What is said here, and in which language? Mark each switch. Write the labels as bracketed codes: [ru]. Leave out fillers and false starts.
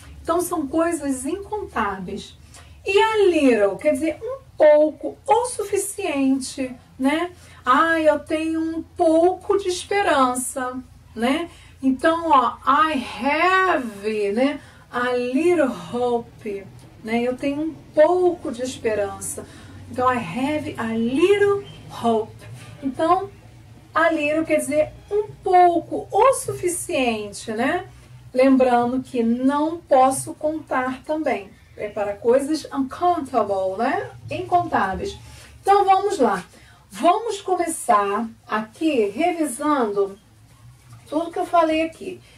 [pt] Então, são coisas incontáveis. E a little, quer dizer, um pouco ou suficiente, né? Ah, eu tenho um pouco de esperança, né? Então, ó, [en] I have, [pt] né? [en] A little hope, [pt] né? Eu tenho um pouco de esperança. [en] Então, I have a little hope. [pt] Então, a little quer dizer um pouco, o suficiente, né? Lembrando que não posso contar também. É para coisas uncountable, né? Incontáveis. Então, vamos lá. Vamos começar aqui revisando tudo que eu falei aqui.